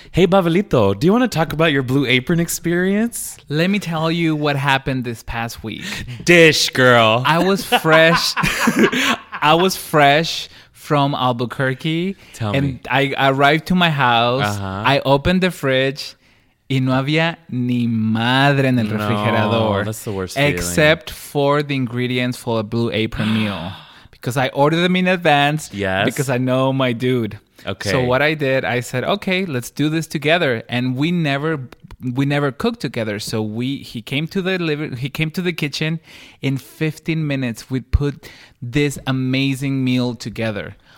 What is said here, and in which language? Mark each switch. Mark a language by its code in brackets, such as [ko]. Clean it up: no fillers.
[en] Hey, Babelito, do you want to talk about your Blue Apron experience? Let me tell you what happened this past week. Dish, girl. I was fresh. I was fresh from Albuquerque. Tell me. And I arrived to my house. Uh-huh. I opened the fridge. [es] Y no había ni madre en el refrigerador. [en] No, that's the worst except feeling. For the ingredients for a Blue Apron meal. Because I ordered them in advance. Yes. Because I know my dude. Okay. So what I did, I said, okay, let's do this together. And we never cooked together. So he came to the kitchen. In 15 minutes, we put this amazing meal together.